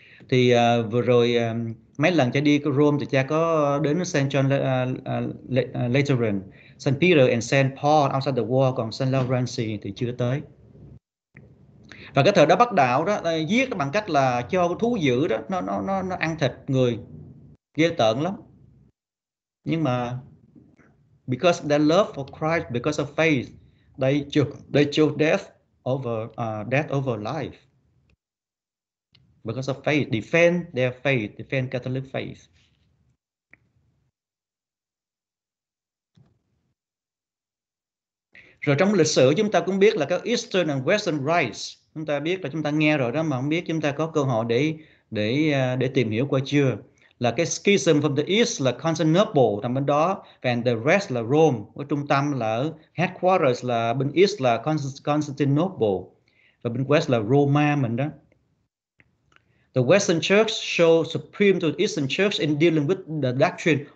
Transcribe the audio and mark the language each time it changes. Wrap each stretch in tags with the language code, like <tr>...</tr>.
<vi>Thì vừa rồi mấy lần cho đi Rome thì cha có đến St.</vi> <en>John Lateran, St. Peter and St.</en> <vi>Paul outside the wall, còn St. Lawrence thì chưa tới. Và cái thời đó bắt đạo đó, giết bằng cách là cho thú dữ đó nó ăn thịt người, ghê tởm lắm. Nhưng mà</vi> <en>because their love for Christ, because of faith, they chose death over life. Because of faith, defend their faith, defend Catholic faith.</en> <vi>Rồi trong lịch sử chúng ta cũng biết là các Eastern and Western Rites, chúng ta biết là chúng ta nghe rồi đó mà không biết chúng ta có cơ hội để tìm hiểu qua chưa, là cái Schism from the East là Constantinople nằm bên đó,</vi> <en>and the rest</en> <vi>là Rome, cái trung tâm là ở headquarters là bên East là Constantinople và bên West là Roma mình đó.</vi> <en>The Western Church show supreme to Eastern Church in dealing with the doctrine.</en>